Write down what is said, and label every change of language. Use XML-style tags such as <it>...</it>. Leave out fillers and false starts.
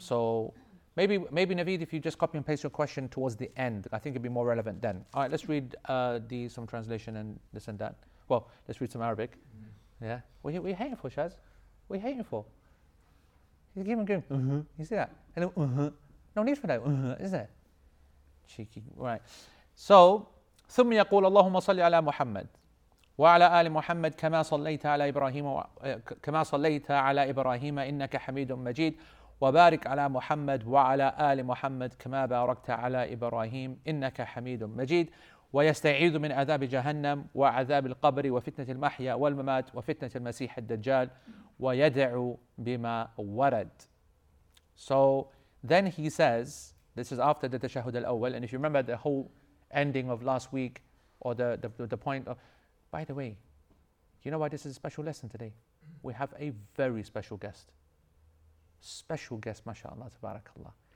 <en>So maybe Naveed, if you just copy and paste your question towards the end, I think it'd be more relevant then. All right, let's read some translation and this and that. Well, let's read some Arabic. Mm-hmm. Yeah, what are you hating for, Shaz? What are you hating for? He's giving him, mm-hmm. You see that? And then, mm-hmm. No need for that, mm-hmm, is there? Cheeky, right. So,</en> <ar>ثم يقول اللهم صل على محمد وعلى آل محمد كما صليت على إبراهيم إنك حميد مجيد وبارك على محمد وعلى آل محمد كما باركت على إبراهيم إنك حميد مجيد ويستعيذ من عذاب جهنم وعذاب القبر وفتنة المحيا والممات وفتنة المسيح الدجال ويدعو بما ورد.</ar> <en>So then he says, this is after the tashahud al-awwal, and if you remember the whole ending of last week, or the point of, by the way, you know why this is a special lesson today? We have a very special guest. Special guest, mashallah, tabarakallah.</en>